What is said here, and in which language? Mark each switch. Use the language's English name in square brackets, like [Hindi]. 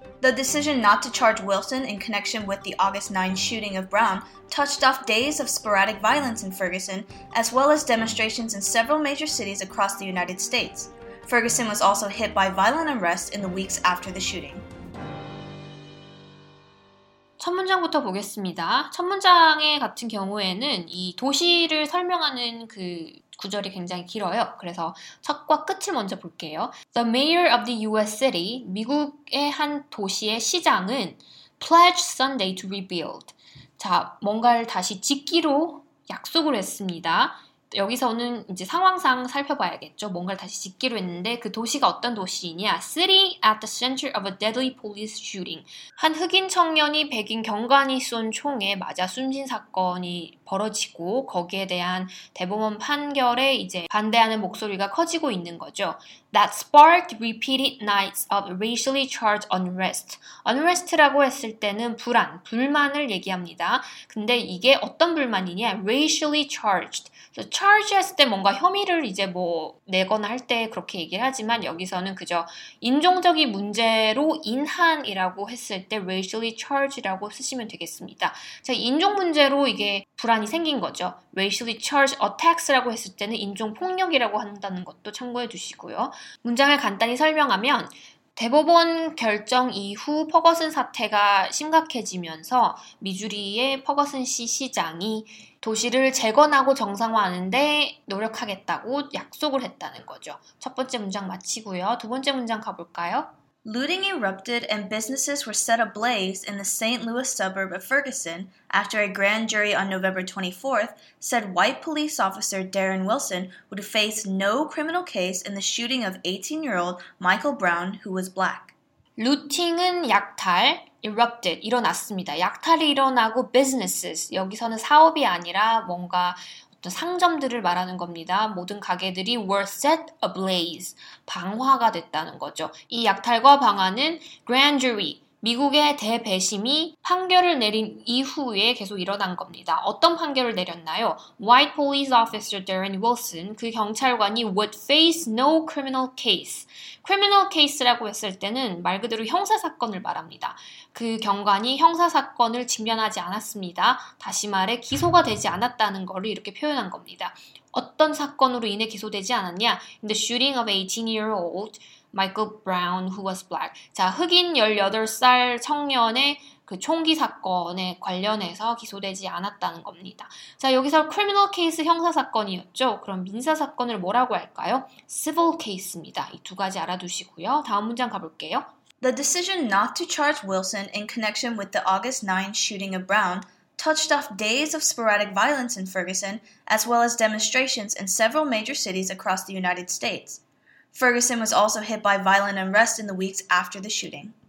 [English] The decision not to charge Wilson in connection with the August 9 shooting of Brown touched off days of sporadic violence in Ferguson, as well as demonstrations in several major cities across the United States. Ferguson was also hit by violent unrest in the weeks after the shooting. [Korean] 첫 문장부터 보겠습니다. 첫 문장의 같은 경우에는 이 도시를 설명하는 그 구절이 굉장히 길어요. 그래서 첫과 끝을 먼저 볼게요. [English] The mayor of the US city, [Korean] 미국의 한 도시의 시장은 [English] pledged Sunday to rebuild. [Korean] 자, 뭔가를 다시 짓기로 약속을 했습니다. 여기서는 이제 상황상 살펴봐야겠죠. 뭔가를 다시 짓기로 했는데 그 도시가 어떤 도시이냐. [English] City at the center of a deadly police shooting. [Korean] 한 흑인 청년이 백인 경관이 쏜 총에 맞아 숨진 사건이 벌어지고 거기에 대한 대법원 판결에 이제 반대하는 목소리가 커지고 있는 거죠. [English] That sparked repeated nights of racially charged unrest. [Korean] Unrest라고 했을 때는 불안, 불만을 얘기합니다. 근데 이게 어떤 불만이냐. Racially charged. So charge 했을 때 뭔가 혐의를 이제 뭐 내거나 할 때 그렇게 얘기를 하지만 여기서는 그저 인종적인 문제로 인한이라고 했을 때 racially charged라고 쓰시면 되겠습니다. 자, 인종 문제로 이게 불안이 생긴 거죠. Racially charged attacks라고 했을 때는 인종폭력이라고 한다는 것도 참고해 주시고요. 문장을 간단히 설명하면 대법원 결정 이후 퍼거슨 사태가 심각해지면서 미주리의 퍼거슨 시 시장이 도시를 재건하고 정상화하는데 노력하겠다고 약속을 했다는 거죠. 첫 번째 문장 마치고요. 두 번째 문장 가볼까요? [English] Looting erupted and businesses were set ablaze in the St. Louis suburb of Ferguson after a grand jury on November 24th said white police officer Darren Wilson would face no criminal case in the shooting of 18-year-old Michael Brown, who was black. [Korean] Looting은 약탈, erupted, 일어났습니다. 약탈이 일어나고 businesses, 여기서는 사업이 아니라 뭔가 어떤 상점들을 말하는 겁니다. 모든 가게들이 [English] were set ablaze, [Korean] 방화가 됐다는 거죠. 이 약탈과 방화는 grand jury, 미국의 대배심이 판결을 내린 이후에 계속 일어난 겁니다. 어떤 판결을 내렸나요? [English] White police officer Darren Wilson, [Korean] 그 경찰관이 [English] would face no criminal case. [Korean] Criminal case라고 했을 때는 말 그대로 형사사건을 말합니다. 그 경관이 형사사건을 직면하지 않았습니다. 다시 말해 기소가 되지 않았다는 것을 이렇게 표현한 겁니다. 어떤 사건으로 인해 기소되지 않았냐? [English] In the shooting of 18-year-old Michael Brown, who was black. [Korean] 자, 흑인 18살 청년의 그 총기 사건에 관련해서 기소되지 않았다는 겁니다. 자, 여기서 criminal case 형사 사건이었죠. 그럼 민사 사건을 뭐라고 할까요? Civil case입니다. 이 두 가지 알아두시고요. 다음 문장 가볼게요. [English] The decision not to charge Wilson in connection with the August 9 shooting of Brown touched off days of sporadic violence in Ferguson, as well as demonstrations in several major cities across the United States. Ferguson was also hit by violent unrest in the weeks after the shooting.